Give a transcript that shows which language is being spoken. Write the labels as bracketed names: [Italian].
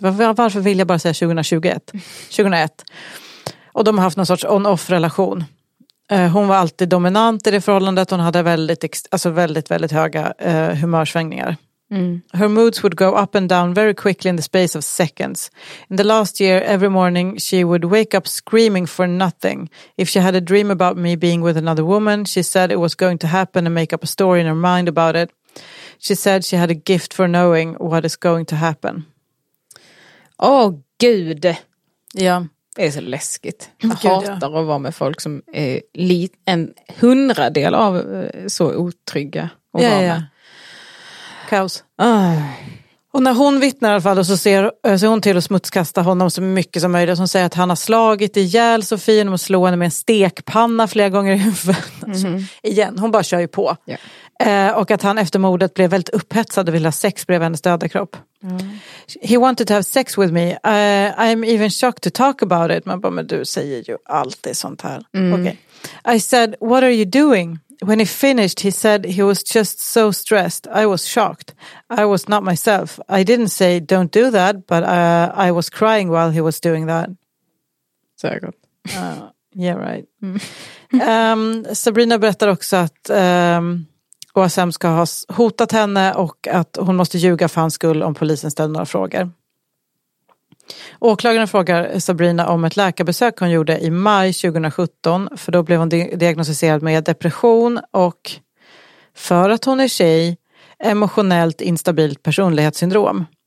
[Swedish] Varför vill jag bara säga 2001? Och de har haft någon sorts on-off-relation. Hon var alltid dominant i det förhållandet. Hon hade väldigt, alltså väldigt, väldigt höga humörsvängningar. Mm. [English] Her moods would go up and down very quickly in the space of seconds. In the last year, every morning, she would wake up screaming for nothing. If she had a dream about me being with another woman, she said it was going to happen and make up a story in her mind about it. She said she had a gift for knowing what is going to happen. [Swedish] Åh, gud! Ja, det är så läskigt. Jag hatar att vara med folk som är en hundradel av så otrygga att vara med. Kaos. Och när hon vittnar i alla fall, så ser hon till att smutskasta honom så mycket som möjligt. Hon säger att han har slagit ihjäl Sofie och slå henne med en stekpanna flera gånger i huvudet. Alltså, igen, hon bara kör ju på. Och att han efter mordet blev väldigt upphetsad och ville ha sex bredvid hennes döda kropp. [English] He wanted to have sex with me. I'm even shocked to talk about it. [Swedish] Man bara, men du säger ju alltid sånt här. [English] I said, what are you doing? When he finished, he said he was just so stressed. I was shocked. I was not myself. I didn't say, don't do that, but I was crying while he was doing that. [Swedish] Säkert. [English] Yeah, right. [Swedish] Sabrina berättar också att OSM ska ha hotat henne och att hon måste ljuga för hans skull om polisen ställer några frågor. Åklagaren frågar Sabrina om ett läkarbesök hon gjorde i maj 2017, för då blev hon diagnostiserad med depression och, för att hon är tjej, emotionellt instabilt personlighetssyndrom.